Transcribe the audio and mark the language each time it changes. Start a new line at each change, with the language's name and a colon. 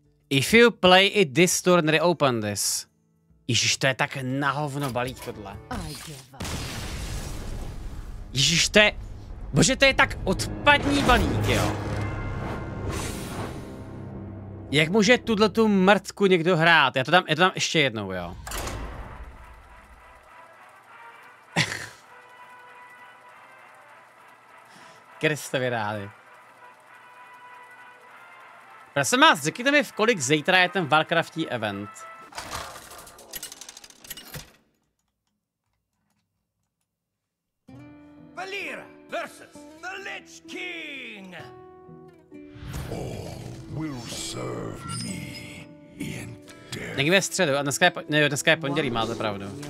English: If you play it this turn, reopen this.
Czech: Ježíš, to je tak na hovno balík tohle. Ježíš, to je... Bože, to je tak odpadní balík, jo. Jak může tuhle tu mrtku někdo hrát? Já to dám ještě jednou, jo. Kristovi rádi. Prosím vás, řekněte mi, v kolik zítra je ten Warcraftí event.
English: Valyra versus the Lich King. All will serve me in death.
Czech: Někdy ve středu, a dneska je, ne, dneska je pondělí, máte pravdu.